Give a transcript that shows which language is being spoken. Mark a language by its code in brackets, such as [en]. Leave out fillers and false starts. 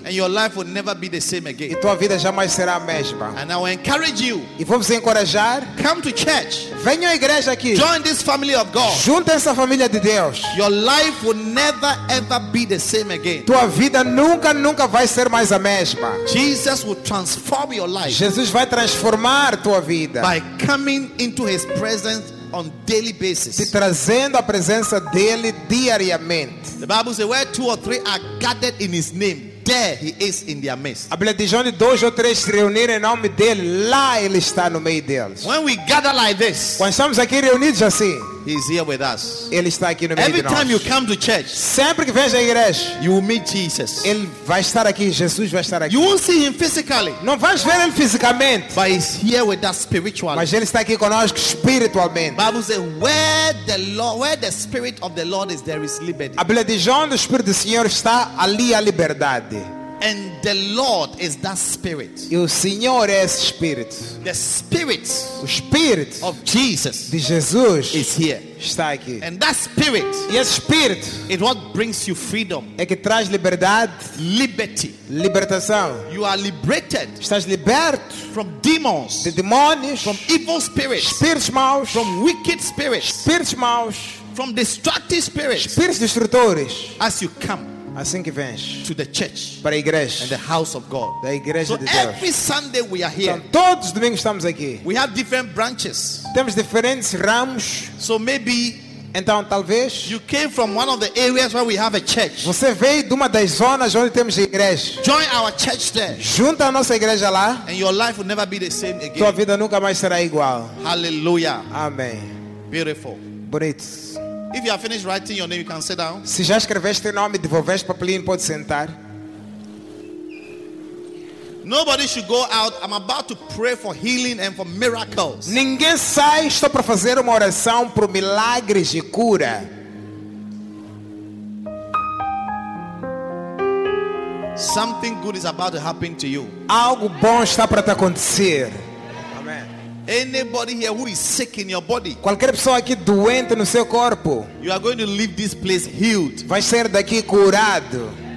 [en] And your life will never be the same again. [pt] E tua vida jamais será a mesma. [en] And I will encourage you. [pt] E vou vos encorajar. [en] Come to church. [pt] Venha à igreja aqui. [en] Join this family of God. [pt] Junte essa família de Deus. [en] Your life will never ever be the same again. [pt] Tua vida nunca, nunca vai ser mais a mesma. [en] Jesus will transform your life. [pt] Jesus vai transformar tua vida. [en] By coming into his presence on daily basis. [pt] Te trazendo a presença dele diariamente. [en] The Bible says where two or three are gathered in his name, there he is in their midst. [pt] A Bíblia diz onde dois ou três se reunirem em nome dele, lá ele está no meio deles. [en] When we gather like this, [pt] quando estamos aqui reunidos assim, [en] he is here with us. [pt] Ele está aqui no meio [en] Every [pt] de [en] time [pt] nós. [en] You come to church, [pt] sempre que vens à igreja, [en] you will meet Jesus. [pt] Ele vai estar aqui, Jesus vai estar aqui. [en] You won't see him physically, [pt] não vais ver ele fisicamente, [en] but he's here with us spiritually. [pt] Mas ele está aqui conosco espiritualmente. [en] Bible says, where the spirit of the Lord is, there is liberty. [pt] A Bíblia diz onde o Espírito do Senhor está, ali há liberdade. [en] And the Lord is that spirit. [pt] E o Senhor é esse espírito. [en] The spirit, [pt] o espírito [en] of Jesus, [pt] de Jesus [en] is here. [pt] Está aqui. [en] And that spirit, [pt] e esse espírito, [en] it what brings you freedom. [pt] É que traz liberdade, [en] liberty, [pt] libertação. [en] You are liberated. [pt] Estás liberto [en] from demons, [pt] de demônios, [en] from evil spirits, [pt] espíritos maus, [en] from wicked spirits, [pt] espíritos maus, [en] from destructive spirits, [pt] espíritos destrutores. [en] As you come. [pt] Assim que vens [en] to the church, [pt] para a igreja, [en] and the house of God, [pt] da igreja de Deus. [en] Every Sunday we are here. [pt] Então todos os domingos estamos aqui. [en] We have different branches. [pt] Temos diferentes ramos. [en] So maybe, [pt] então talvez, [en] you came from one of the areas where we have a church. [pt] Você veio de uma das zonas onde temos a igreja. [en] Join our church there. [pt] Junta a nossa igreja lá. [en] And your life will never be the same again. [pt] Tua vida nunca mais será igual. [en] Hallelujah. [pt] Amém. [en] Beautiful. [pt] Bonito. [en] If you are finished writing your name, you can sit down. [pt] Se já escreveste o nome, devolveste o papelinho, pode sentar. [en] Nobody should go out. I'm about to pray for healing and for miracles. [pt] Ninguém sai, estou para fazer uma oração por milagres e cura. [en] Something good is about to happen to you. [pt] Algo bom está para te acontecer. [en] Anybody here who is sick in your body? [pt] Qualquer pessoa aqui doente no seu corpo. [en] You are going to leave this place healed. [pt] Vai sair daqui curado.